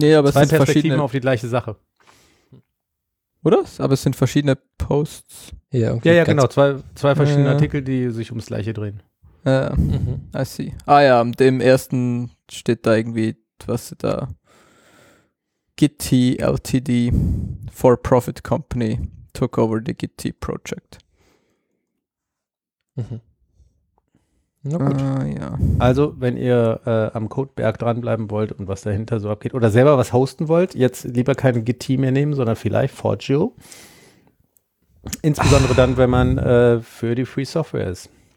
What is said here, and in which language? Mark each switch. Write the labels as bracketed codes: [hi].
[de] Nee, aber zwei es sind verschiedene. Auf die gleiche Sache. Oder? Aber es sind verschiedene Posts. Ja, irgendwie ja genau. Zwei verschiedene Artikel, die sich ums Gleiche drehen. [en] I see. [de] Ah ja, im ersten steht da irgendwie, was da. [en] Gitti LTD, for-profit company, took over the Gitti project. [de] Mhm. Na gut. Ja. Also, wenn ihr am Codeberg dranbleiben wollt und was dahinter so abgeht, oder selber was hosten wollt, jetzt lieber kein Gitti mehr nehmen, sondern vielleicht Forgio. Insbesondere dann, wenn man für die Free Software ist.